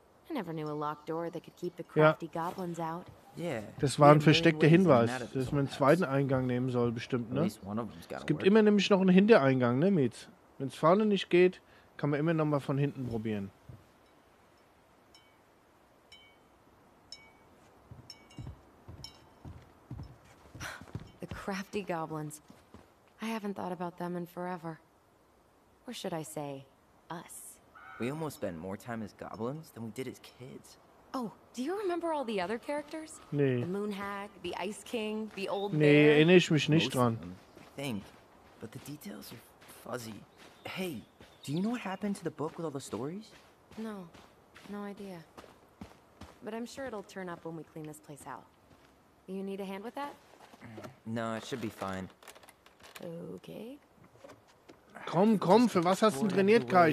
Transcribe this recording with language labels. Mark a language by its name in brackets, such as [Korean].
[English] I never knew a locked door that could keep the crafty goblins out. Yeah. [German] Das war ein versteckter Hinweis, dass man einen zweiten Eingang nehmen soll, bestimmt, ne? Es gibt immer nämlich noch einen Hintereingang, ne, Mietz? Wenn es vorne nicht geht, kann man immer noch mal von hinten probieren. [English] Crafty goblins. I haven't thought about them in forever. Or should I say, us? We almost spent more time as goblins than we did as kids. Oh, do you remember all the other characters? [German] Nee. [English] The Moon Hag, the Ice King, the old [German] nee, [English] bear? [German] Nee, erinnere ich mich nicht dran. [English] I think, but the details are fuzzy. Hey, do you know what happened to the book with all the stories? No, no idea. But I'm sure it'll turn up when we clean this place out. You need a hand with that? No, it should be fine. Okay. [German] Komm, komm, für was hast du trainiert, Kai?